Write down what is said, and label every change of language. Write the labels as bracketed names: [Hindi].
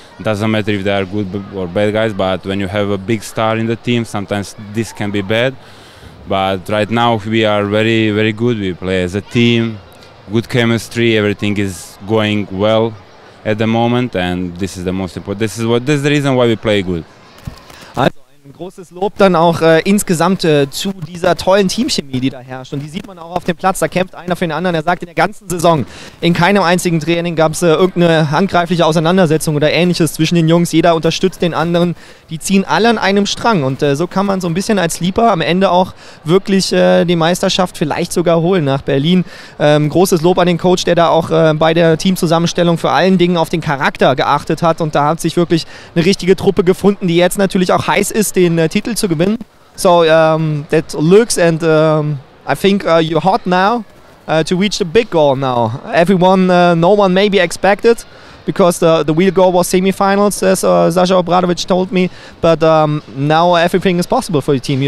[English] Doesn't matter if they are good or bad guys, but when you have a big star in the team, sometimes this can be bad. But right now we are very, very good. We play as a team, good chemistry, everything is going well at the moment, and this is the most important. This is the reason why we play good. [German] Ein großes Lob dann auch insgesamt zu dieser tollen Teamchemie, die da herrscht. Und die sieht man auch auf dem Platz, da kämpft einer für den anderen. Er sagt, in der ganzen Saison, in keinem einzigen Training gab es irgendeine handgreifliche Auseinandersetzung oder Ähnliches zwischen den Jungs. Jeder unterstützt den anderen, die ziehen alle an einem Strang. Und so kann man so ein bisschen als Sleeper am Ende auch wirklich die Meisterschaft vielleicht sogar holen nach Berlin. Großes Lob an den Coach, der da auch bei der Teamzusammenstellung vor allen Dingen auf den Charakter geachtet hat. Und da hat sich wirklich eine richtige Truppe gefunden, die jetzt natürlich auch heiß ist, den Titel zu gewinnen. [English] So that looks, and I think you're hot now to reach the big goal now. Everyone, no one maybe expected, because the real goal was semifinals, as Sasha Obradovic told me, but now everything is possible for your team.